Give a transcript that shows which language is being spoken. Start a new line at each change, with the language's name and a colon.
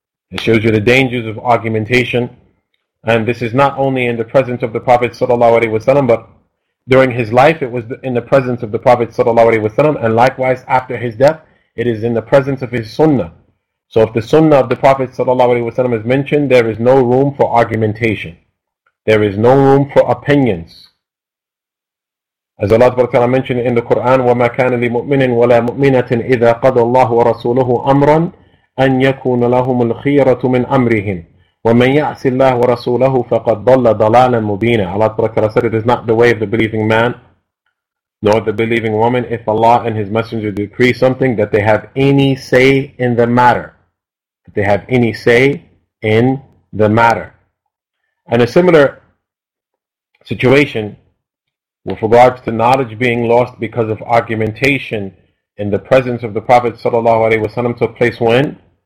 English: It shows you the dangers of argumentation. And this is not only in the presence of the Prophet sallallahu alaihi wasallam, but during his life it was in the presence of the Prophet sallallahu alaihi wasallam, and likewise after his death it is in the presence of his sunnah. So if the sunnah of the Prophet sallallahu alaihi wasallam is mentioned, there is no room for argumentation. There is no room for opinions. As Allah ta'ala mentioned in the Quran,
Arabic: وَمَا كَانَ لِمُؤْمِنٍ وَلَا مُؤْمِنَةٍ إِذَا قَضَى اللَّهُ وَرَسُولُهُ أَمْرًا أَنْ يَكُونَ لَهُمُ الْخِيَرَةُ مِنْ أَمْرِهِمْ وَمَنْ يَعْسِ اللَّهُ وَرَسُولَهُ فَقَدْ ضَلَّ ضَلَالًا مُبِينًا.
English: Allah Ta'ala said, it is not the way of the believing man, nor the believing woman, if Allah and His Messenger decree something, that they have any say in the matter. That they have any say in the matter. And a similar situation with regards to knowledge being lost because of argumentation in the presence of the Prophet Sallallahu Alaihi Wasallam took place when?